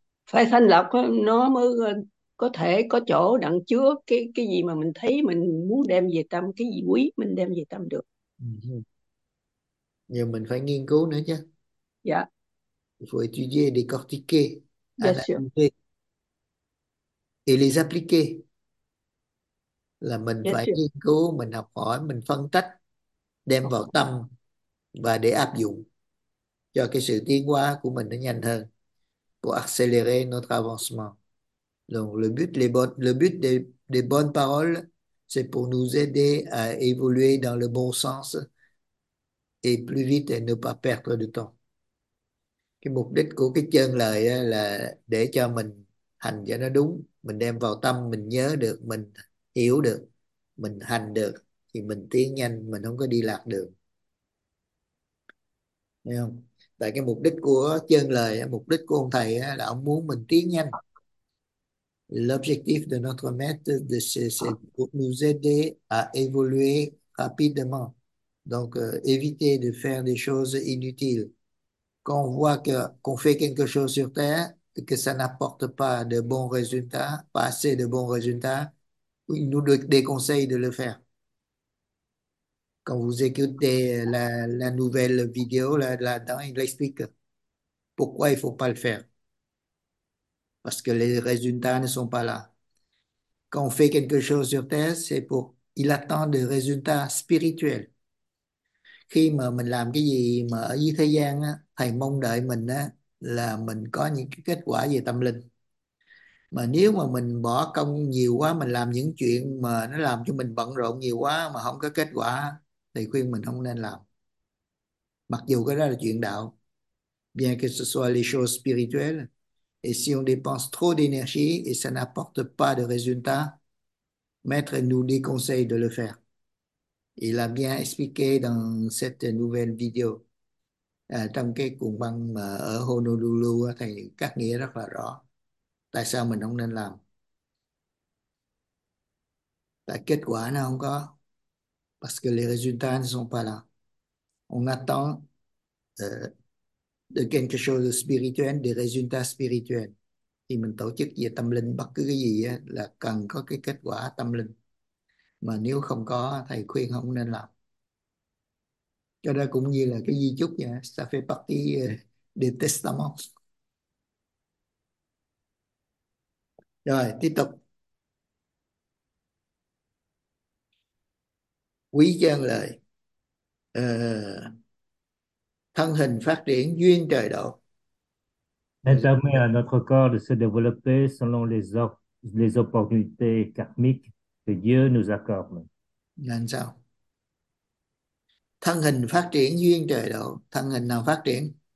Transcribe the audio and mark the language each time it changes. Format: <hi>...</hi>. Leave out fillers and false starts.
<vi>phải thanh lọc, nó mới có thể có chỗ đặng chứa cái gì mà mình thấy mình muốn đem về tâm, cái gì quý mình đem về tâm được. Nhưng mình phải nghiên cứu nữa chứ. Dạ.</vi> <fr>Il faut étudier, décortiquer, Bien analyser sûr. et les appliquer.</fr> <vi>Là mình</vi> <fr>Bien</fr> <vi>phải</vi> <fr>sûr.</fr> <vi>nghiên cứu, mình học hỏi, mình phân tích, đem vào tâm và để áp dụng cho cái sự tiến hóa của mình nó nhanh hơn.</vi> <fr>Pour accélérer notre avancement. Donc, le but des bonnes paroles, c'est pour nous aider à évoluer dans le bon sens et plus vite et ne pas perdre de temps.</fr> <vi>Cái mục đích của cái chân lời á, là để cho mình hành cho nó đúng, mình đem vào tâm, mình nhớ được, mình hiểu được, mình hành được thì mình tiến nhanh, mình không có đi lạc đường. Thấy không? Tại cái mục đích của chân lời, mục đích của ông thầy là ông muốn mình tiến nhanh.</vi> <fr>L'objectif de notre maître, c'est pour nous aider à évoluer rapidement. Donc, éviter de faire des choses inutiles. Quand on voit qu'on fait quelque chose sur Terre et que ça n'apporte pas de bons résultats, pas assez de bons résultats, il nous déconseille de le faire. Quand vous écoutez la nouvelle vidéo, là-dedans, il explique pourquoi il ne faut pas le faire. Parce que les résultats ne sont pas là. Quand on fait quelque chose sur Terre, c'est pour il attend des résultats spirituels.</fr> <vi>Khi mà mình làm cái gì mà ở dưới thế gian á, thầy mong đợi mình á, là mình có những cái kết quả về tâm linh. Mà nếu mà mình bỏ công nhiều quá, mình làm những chuyện mà nó làm cho mình bận rộn nhiều quá mà không có kết quả thì khuyên mình không nên làm. Mặc dù cái đó là chuyện đạo.</vi> <fr>Bien que ce soit les choses spirituelles, et si on dépense trop d'énergie et ça n'apporte pas de résultats, Maître nous déconseille de le faire. Il a bien expliqué dans cette nouvelle vidéo,</fr> <vi>trong cái cuộn băng mà ở Honolulu thì các nghĩa rất là rõ. Tại sao mình không nên làm? Tại kết quả nó không có.</vi> <fr>Parce que les résultats ne sont pas là. On attend de quelque chose de spirituel, des résultats spirituels.</fr> <vi>Thì mình tổ chức về tâm linh, bất cứ cái gì á, là cần có cái kết quả tâm linh. Mà nếu không có, thầy khuyên không nên làm. Cho đó cũng như là cái di chúc vậy,</vi> <fr>ça fait partie du testament.</fr> <vi>Rồi, tiếp tục. Quý gian lời. Thân hình phát triển duyên trời độ.</vi> <fr>Permet à notre corps de se développer selon les opportunités karmiques que Dieu nous accorde.</fr> <vi>Làm sao? Thân hình phát triển duyên trời độ. Thân hình nào phát triển?</vi>